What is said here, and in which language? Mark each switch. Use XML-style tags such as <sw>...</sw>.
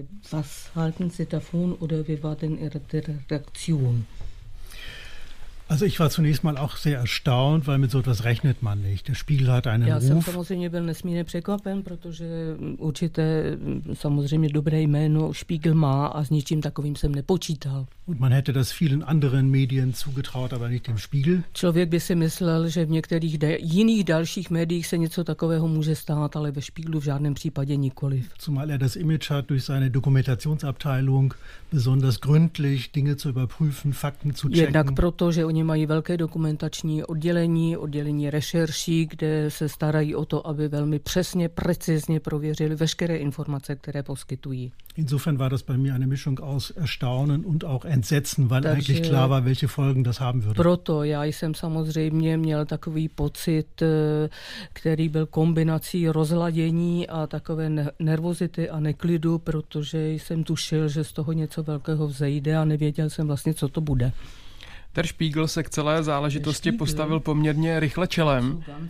<de>Was halten Sie davon oder wie war denn Ihre Reaktion? Also ich war zunächst mal auch sehr erstaunt, weil mit so etwas rechnet man nicht. Der Spiegel hat einen Ruf.</de> <cs>Ja, jsem samozřejmě byl nesmírně překvapen, protože určitě samozřejmě dobré jméno Spiegel má a s ničím takovým jsem nepočítal.</cs> <de>Und man hätte das vielen anderen Medien zugetraut, aber nicht dem Spiegel.</de> <cs>Člověk by si myslel, že v některých jiných dalších médiích se něco takového může stát, ale ve Spiegelu v žádném případě nikoliv.</cs> <de>Zumal er das Image hat durch seine Dokumentationsabteilung besonders gründlich Dinge zu überprüfen, Fakten zu checken.</de> <cs>Jednak proto, že oni mají velké dokumentační oddělení, oddělení rešerší, kde se starají o to, aby velmi přesně, precizně prověřili veškeré informace, které poskytují.</cs> <de>Insofern war das bei mir eine Mischung aus Erstaunen und auch Entsetzen, weil</de> <cs>Takže</cs> <de>eigentlich klar war, welche Folgen das haben würde.</de> <cs>Proto já jsem samozřejmě měl takový pocit, který byl kombinací rozladění a takové nervozity a neklidu, protože jsem tušil, že z toho něco velkého vzejde a nevěděl jsem vlastně, co to bude. Der Spiegel se k celé záležitosti postavil poměrně rychle čelem.</cs>